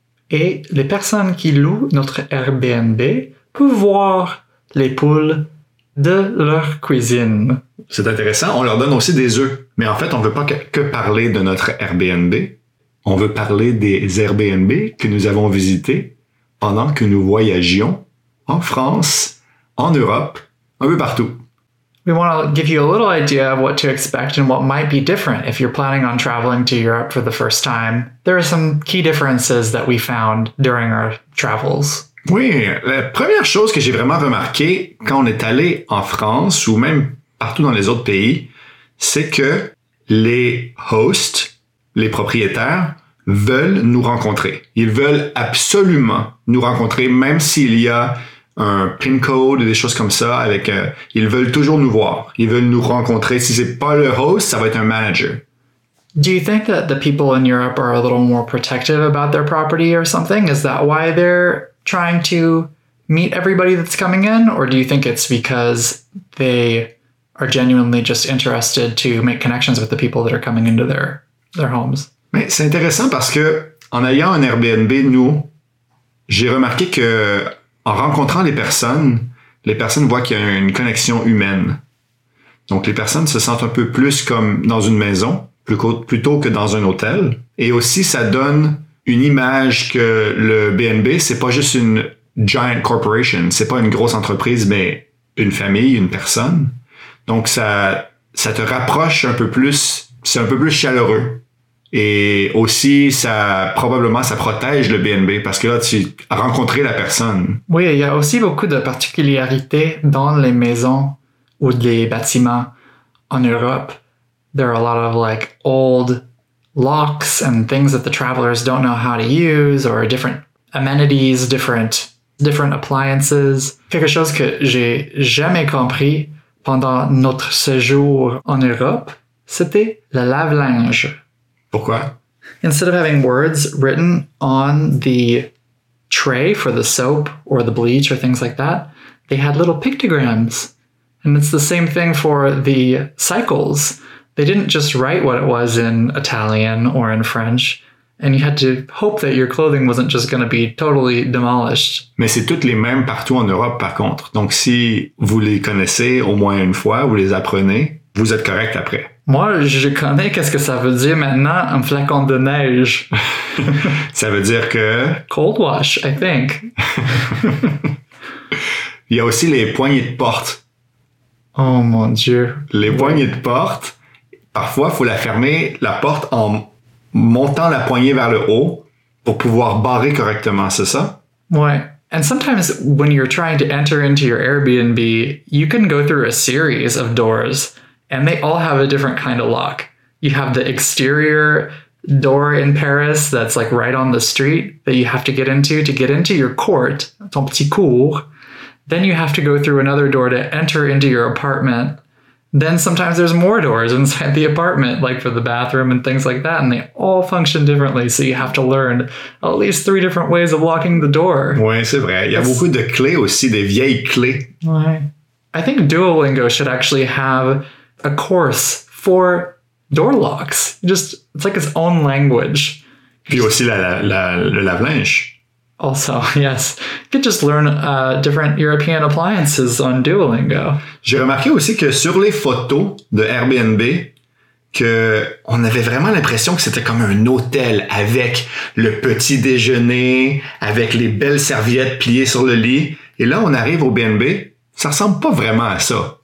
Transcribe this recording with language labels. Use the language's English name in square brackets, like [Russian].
[French] Et les personnes qui louent notre Airbnb peuvent voir les poules de leur cuisine. C'est intéressant. On leur donne aussi des œufs. Mais en fait, on ne veut pas que parler de notre Airbnb. On veut parler des Airbnb que nous avons visités pendant que nous voyagions en France, en Europe, un peu partout. [English] We want to give you a little idea of what to expect and what might be different if you're planning on traveling to Europe for the first time. There are some key differences that we found during our travels. [French] Oui, la première chose que j'ai vraiment remarqué quand on est allé en France ou même partout dans les autres pays, c'est que les hosts, les propriétaires, veulent nous rencontrer. Ils veulent absolument nous rencontrer, même s'il y a un pin code ou des choses comme ça. Ils veulent toujours nous voir. Ils veulent nous rencontrer. Si c'est pas le host, ça va être un manager. [English] Do you think that the people in Europe are a little more protective about their property or something? Is that why they're trying to meet everybody that's coming in? Or do you think it's because they are genuinely just interested to make connections with the people that are coming into their homes? [French] Mais c'est intéressant parce que en ayant un Airbnb, nous, j'ai remarqué que en rencontrant les personnes voient qu'il y a une connexion humaine. Donc les personnes se sentent un peu plus comme dans une maison plutôt que dans un hôtel. Et aussi, ça donne une image que le BNB, c'est pas juste une [English] giant corporation, [French] c'est pas une grosse entreprise, mais une famille, une personne. Donc ça te rapproche un peu plus, c'est un peu plus chaleureux. Et aussi, ça protège le BNB parce que là, tu as rencontré la personne. Oui, il y a aussi beaucoup de particularités dans les maisons ou les bâtiments en Europe. [English] There are a lot of like old locks and things that the travelers don't know how to use or different amenities, different appliances. [French] Quelque chose que j'ai jamais compris pendant notre séjour en Europe, c'était le lave-linge. Pourquoi? [English] Instead of having words written on the tray for the soap or the bleach or things like that, they had little pictograms. And it's the same thing for the cycles. They didn't just write what it was in Italian or in French. And you had to hope that your clothing wasn't just going to be totally demolished. [French] Mais c'est toutes les mêmes partout en Europe, par contre. Donc si vous les connaissez au moins une fois, vous les apprenez, vous êtes correct après. Moi, je connais qu'est-ce que ça veut dire maintenant, un flacon de neige. Ça veut dire que... [English] Cold wash, I think. [French] Il y a aussi les poignées de porte. Oh mon Dieu. Les poignées de porte, parfois, il faut la fermer, la porte, en montant la poignée vers le haut pour pouvoir barrer correctement, c'est ça? Ouais. [English] And sometimes, when you're trying to enter into your Airbnb, you can go through a series of doors. And they all have a different kind of lock. You have the exterior door in Paris that's like right on the street that you have to get into your court, [French] ton petit cours. [English] Then you have to go through another door to enter into your apartment. Then sometimes there's more doors inside the apartment, like for the bathroom and things like that. And they all function differently. So you have to learn at least three different ways of locking the door. [French] Oui, c'est vrai. Il y a beaucoup de clés aussi, des vieilles clés. Ouais. [English] I think Duolingo should actually have a course for door locks. Just, it's like its own language. [French] Puis aussi le lave-linge. [English] Also, yes. You could just learn different European appliances on Duolingo. [French] J'ai remarqué aussi que sur les photos de Airbnb, que on avait vraiment l'impression que c'était comme un hôtel avec le petit déjeuner, avec les belles serviettes pliées sur le lit. Et là, on arrive au BNB, ça ressemble pas vraiment à ça.